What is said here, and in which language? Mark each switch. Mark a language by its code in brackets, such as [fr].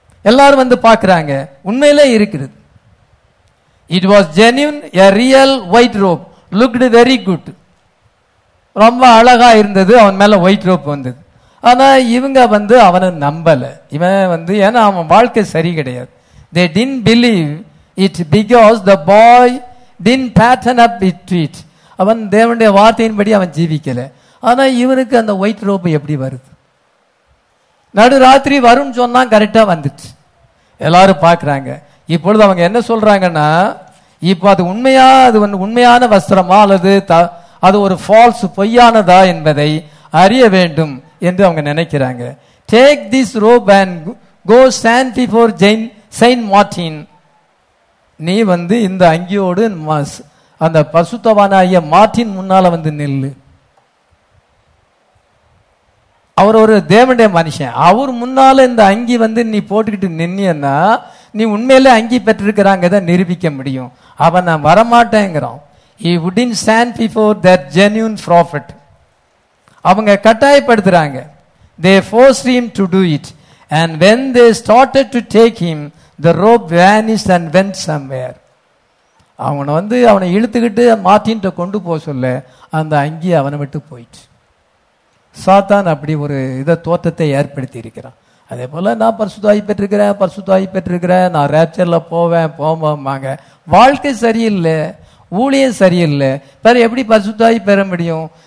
[ta] எல்லாரும் வந்து பார்க்கறாங்க, உண்மையிலே இருக்கிறது. [en] It was genuine, a real white robe. Looked very good. [ta] ரொம்ப அழகா இருந்தது, அவன் மேல ஒயிட் ரோப் வந்தது. ஆனா இவங்க வந்து அவனை நம்பல, இவன் வந்து ஏன்னா அவன் வாழ்க்கை சரி கிடையாது. [en] They didn't believe it because the boy didn't pattern up it to it. [ta] அவன் தேவனுடைய வார்த்தையின்படி அவன் ஜீவிக்கல. ஆனா இவனுக்கு அந்த ஒயிட் ரோப் எப்படி வருது? நடு ராத்திரி வரும்னு சொன்னா கரெக்டா வந்துச்சு, எல்லாரும் பாக்குறாங்க. இப்பொழுது அவங்க என்ன சொல்றாங்கன்னா, இப்போ அது உண்மையா, அது வந்து உண்மையான வஸ்திரமா அல்லது அது ஒரு ஃபால்ஸ் பொய்யானதா என்பதை அறிய வேண்டும் என்று அவங்க நினைக்கிறாங்க. [en] Take this rope and go stand before Saint Martin. [ta] நீ வந்து இந்த அங்கியோடு அந்த பரிசுத்தவானாகிய மார்டின் முன்னால வந்து நில்லு. அவர் ஒரு தேவனுடைய மனுஷன், அவர் முன்னால இந்த அங்கி வந்து நீ போட்டுக்கிட்டு நின்னா நீ உண்மையிலே அங்கி பெற்றிருக்கிறாங்க தான் நிரூபிக்க முடியும். அவன் நான் வரமாட்டேங்கிறான். [en] He wouldn't stand before that genuine prophet. [ta] அவங்க கட்டாயப்படுத்துறாங்க. [en] They forced him to do it. And when they started to take him, the rope vanished and went somewhere. [ta] அவனை வந்து அவனை இழுத்துக்கிட்டு மார்டின்ட்ட கொண்டு போக சொல்ல அந்த அங்கி அவனை விட்டு போயிடுச்சு. சாத்தான் அப்படி ஒரு இதை தோற்றத்தை ஏற்படுத்தி இருக்கிறான். அதே போல நான் பரிசுத்தாகி பெற்றிருக்கிறேன், பரிசுத்தாகி பெற்றிருக்கிறேன், நான் ரேப்சர்ல போவேன் போவோம்மாங்க. வாழ்க்கை சரியில்லை, ஊழியம் சரியில்லை, பிறகு எப்படி பரிசுத்தாகி பெற முடியும்?